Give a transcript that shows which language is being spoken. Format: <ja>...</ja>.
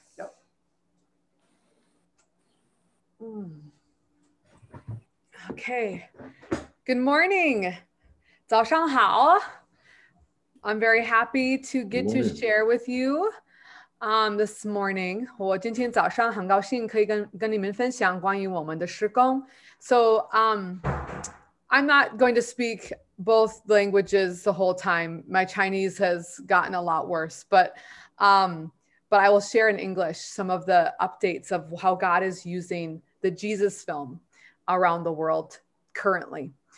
<en>Yep. Mm. Okay, I'm ready. Good morning.</en> <zh>早上好.</zh> <en>I'm very happy to get to share with you this morning.</en> <zh>我今天早上很高兴可以跟你们分享关于我们的施工.</zh> <en>So I'm not going to speak both languages the whole time. My Chinese has gotten a lot worse, but I will share in English some of the updates of how God is using the Jesus film around the world currently.</en>